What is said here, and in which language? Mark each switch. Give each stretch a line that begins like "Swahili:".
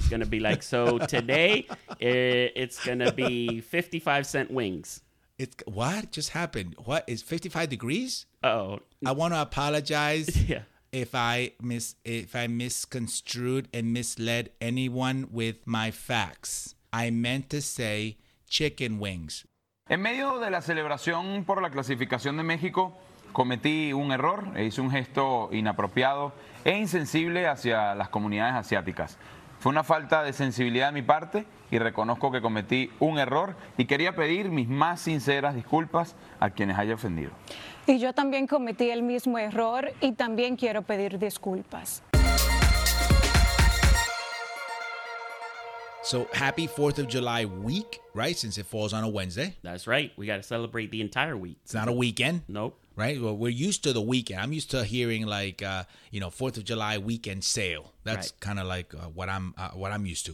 English: She's going to be like, so today it's going to be 55-cent wings. It's what just happened? What is 55 degrees? Oh, I want to apologize. Yeah. If I misconstrued and misled anyone with my facts. I meant to say chicken wings.
Spanish: En medio de la celebración por la clasificación de México, cometí un error e hice un gesto inapropiado e insensible hacia las comunidades asiáticas. Fue una falta de sensibilidad de mi parte y reconozco que cometí un error y quería pedir mis más sinceras disculpas a quienes haya ofendido. Y yo también cometí el mismo error y también quiero pedir disculpas.
English: So happy 4th of July week, right? Since it falls on a Wednesday. That's right. We got to celebrate the entire week. It's not a weekend. Nope. Right? Well, we're used to the weekend. I'm used to hearing like, 4th of July weekend sale. That's kind of like what I'm used to.